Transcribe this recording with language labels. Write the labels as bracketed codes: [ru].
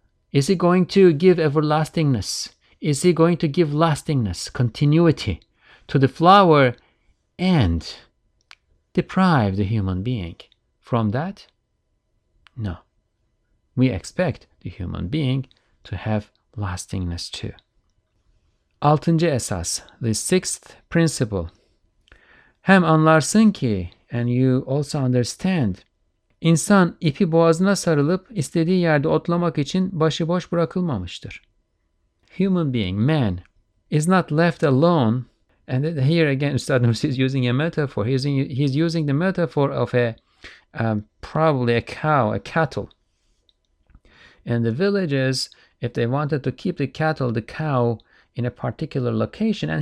[en] Is he going to give everlastingness? Is he going to give lastingness, continuity to the flower and deprive the human being from that? No. We expect the human being to have lastingness too. [tr] Altıncı esas, [en] the sixth principle. [tr] Hem anlarsın ki, [en] and you also understand, [tr] İnsan ipi boğazına sarılıp istediği yerde otlamak için başıboş bırakılmamıştır. [en] Human being, man, is not left alone. And here again, Üstad Nursi is using a metaphor. He's using the metaphor of probably a cow, a cattle. And the villagers, if they wanted to keep the cattle, the cow, in a particular location.